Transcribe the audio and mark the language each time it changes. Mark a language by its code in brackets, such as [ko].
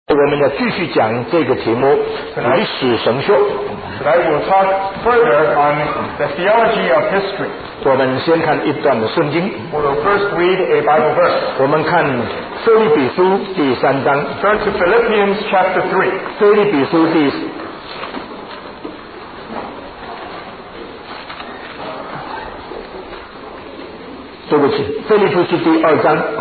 [zh] 我们要继续讲这个题目，历史神学。 [en] Tonight we'll talk further on the theology of history. [zh] 我们先看一段的圣经。 [en] We'll first read a Bible verse. [zh] 我们看腓立比书第三章。 [en] Turn to Philippians chapter 3. [zh] 腓立比书第三章。对不起，腓立比书第二章。